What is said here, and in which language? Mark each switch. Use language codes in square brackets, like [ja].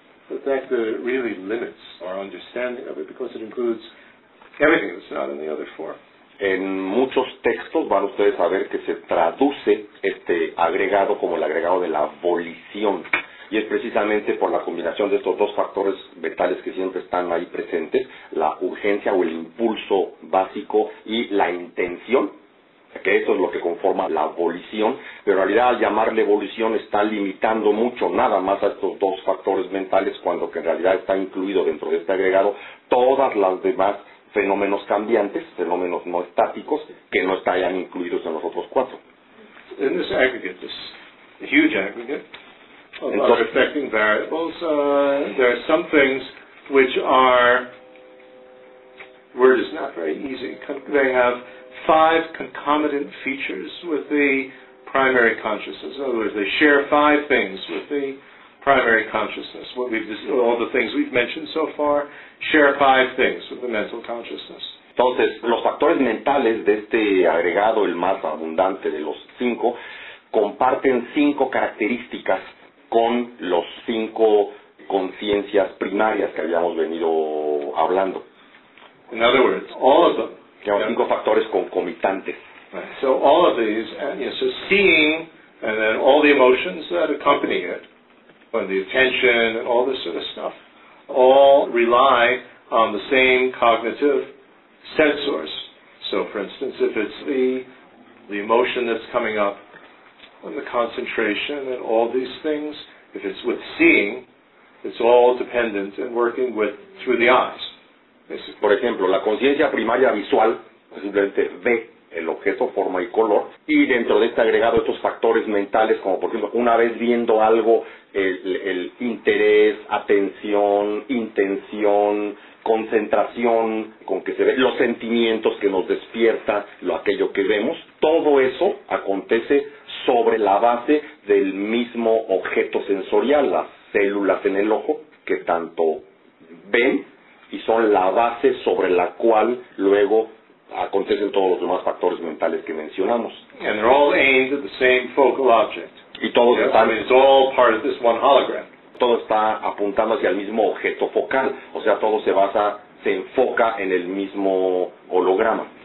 [en] But that really limits our understanding of it because it includes everything that's not in the other four. [es] En muchos textos van ustedes a ver que se traduce este agregado como el agregado de la volición. Y es precisamente por la combinación de estos dos factores mentales que siempre están ahí presentes, la urgencia o el impulso básico y la intención, que eso es lo que conforma la volición. Pero en realidad al llamarle volición está limitando mucho nada más a estos dos factores mentales, cuando que en realidad está incluido dentro de este agregado todas las demás fenómenos cambiantes, fenómenos no estáticos, que no estarían incluidos en los otros cuatro. [en] In this aggregate, this huge aggregate of other affecting variables, there are some things which are, word is not very easy, they have five concomitant features with the primary consciousness. In other words, they share five things with the primary consciousness. All the things we've mentioned so far share five things with the mental consciousness. [es] Entonces, los factores mentales de este agregado, el más abundante de los cinco, comparten cinco características con los cinco conciencias primarias que habíamos venido hablando. [en] In other words, all of them. [es] Tenemos cinco factores concomitantes. [en] Right. So all of these, so seeing, and then all the emotions that accompany it, and the attention and all this sort of stuff, all rely on the same cognitive sensors. So, for instance, if it's the emotion that's coming up and the concentration and all these things, if it's with seeing, it's all dependent and working with through the eyes. [es] Por ejemplo, la conciencia primaria visual simplemente ve el objeto, forma y color, y dentro de este agregado estos factores mentales, como por ejemplo, una vez viendo algo, el interés, atención, intención, concentración con que se ve, los sentimientos que nos despierta, aquello que vemos, todo eso acontece sobre la base del mismo objeto sensorial, las células en el ojo, que tanto ven y son la base sobre la cual luego acontecen todos los demás factores mentales que mencionamos. [en] And they're all aimed at the same focal object. [es] Y todos están, [en] it's all part of this one hologram. [es] Todo está apuntando hacia el mismo objeto focal. O sea, todo se enfoca en el mismo holograma.